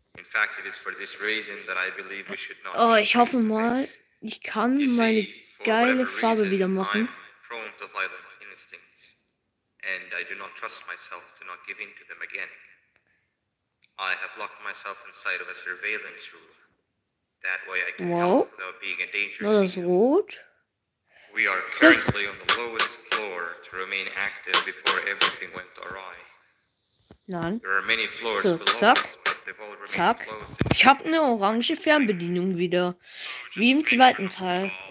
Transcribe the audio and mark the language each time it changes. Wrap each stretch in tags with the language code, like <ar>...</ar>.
<en>In fact, it is for this reason that I believe we should not.</en> <de>Oh, ich hoffe mal, ich kann meine geile Farbe wieder machen.</de> <en>I'm prone to violent instincts, and I do not trust myself to not give in to them again. I have locked myself inside of a surveillance room. That way I can help without being a danger to you. We are currently on the lowest floor to remain active before everything went awry.</en> <de>Nein.</de> <en>There are many floors below us.</en> <de>Zack, ich habe eine orange Fernbedienung wieder, wie im zweiten Teil.</de>